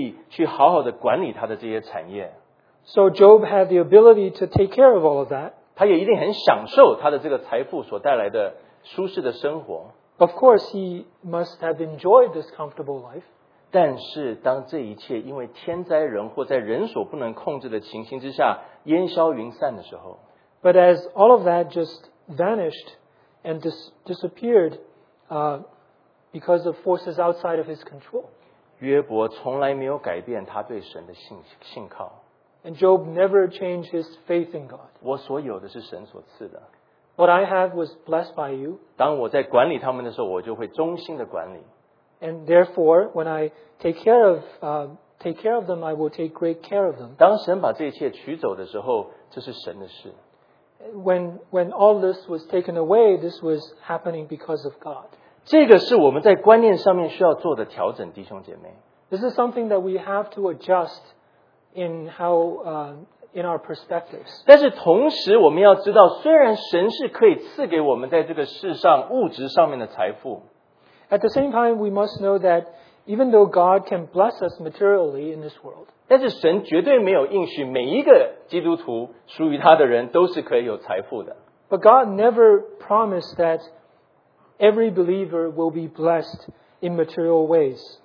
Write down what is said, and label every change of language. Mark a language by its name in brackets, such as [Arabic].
[Chinese] 但是约伯虽然有这个能力去好好的管理他的这些产业, [English] so Job had the ability to take care of all of that. [Chinese] 他也一定很享受他的这个财富所带来的舒适的生活。 [English] Of course, he must have enjoyed this comfortable life. [Chinese] 但是当这一切因为天灾人祸在人所不能控制的情形之下烟消云散的时候, [English] but as all of that just vanished and disappeared because of forces outside of his control, [Chinese] 约伯从来没有改变他对神的信靠。 [English] And Job never changed his faith in God. [Chinese] 我所有的是神所赐的。 [English] What I have was blessed by you. [Chinese] 当我在管理他们的时候, 我就会忠心的管理。 [English] And therefore, when I take care of them, I will take great care of them. [Chinese] 当神把这一切取走的时候, 这是神的事。 [English] When all this was taken away, this was happening because of God. [Chinese] 这个是我们在观念上面需要做的调整, 弟兄姐妹。 [English] This is something that we have to adjust in how in our perspectives. [Chinese] 但是同时我们要知道, 虽然神是可以赐给我们在这个世上物质上面的财富, [English] at the same time, we must know that even though God can bless us materially in this world, [Chinese] 但是神绝对没有应许每一个基督徒属于他的人都是可以有财富的。 [English] But God never promised that every believer will be blessed in material ways.